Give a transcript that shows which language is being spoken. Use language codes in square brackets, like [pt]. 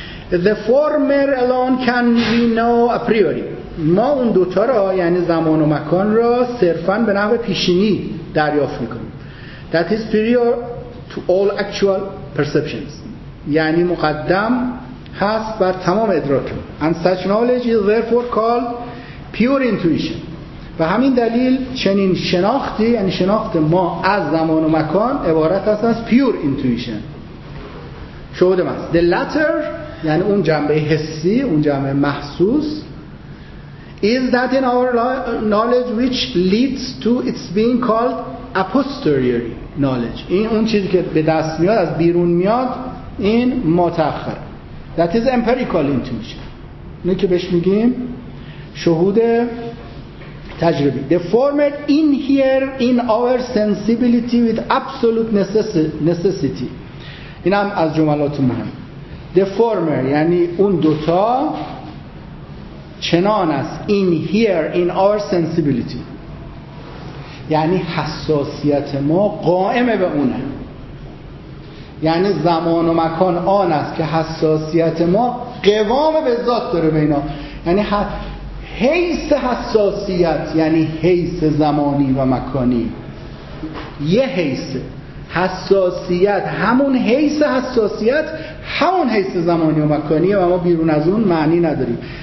[en] The former alone can we know a priori. [fa] ما اون دوتا را، یعنی زمان و مکان را، صرفا به نحو پیشینی دریافت میکنیم. [en] That is prior to all actual perceptions. [fa] یعنی مقدم هست بر تمام ادراک. [en] And such knowledge is therefore called pure intuition. [fa] و همین دلیل چنین شناختی، یعنی شناخت ما از زمان و مکان، عبارت است از pure intuition. شهود ماست. [en] The latter، [fa] یعنی اون جنبه حسی، اون جنبه محسوس، [en] is that in our knowledge which leads to its being called a posteriori knowledge. [fa] این اون چیزی که به دست میاد، از بیرون میاد، این متأخر. [en] That is empirical intuition. [fa] اینه که بهش میگیم شهود تجربی. [en] The former in here in our sensibility with absolute necessity. [fa] این هم از جملات مهم. [en] The former [fa] یعنی اون دوتا چنان است [en] in here in our sensibility، [fa] یعنی حساسیت ما قائمه به اونه، یعنی زمان و مکان آن است که حساسیت ما قوام به ذات داره به اینا، یعنی حیث حساسیت، یعنی حیث زمانی و مکانی، یه حیث حساسیت، همون حیث حساسیت همون حیث زمانی و مکانیه و ما بیرون از اون معنی نداریم.